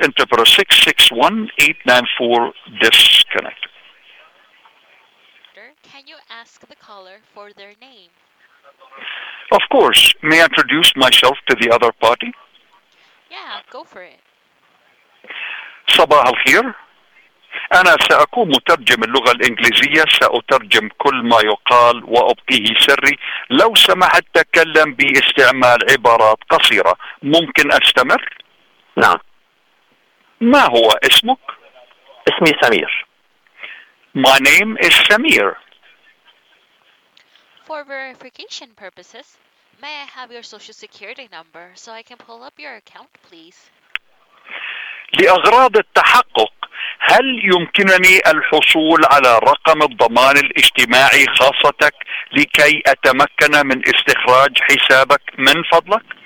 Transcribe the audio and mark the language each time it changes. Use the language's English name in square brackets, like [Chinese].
[English] Interpreter 661-894 disconnect. Can you ask the caller for their name? Of course. May I introduce myself to the other party? Yeah, go for it. [Arabic] صباح الخير. أنا سأكون مترجم اللغة الإنجليزية. سأترجم كل ما يقال وأبقيه سري. لو سمحت تكلم باستعمال عبارات قصيرة. ممكن أستمر؟ نعم. ما هو اسمك؟ اسمي سمير. [English] My name is Samir. For verification purposes, may I have your social security number so I can pull up your account, please? [Arabic] لأغراض التحقق، هل يمكنني الحصول على رقم الضمان الاجتماعي خاصتك لكي أتمكن من استخراج حسابك من فضلك؟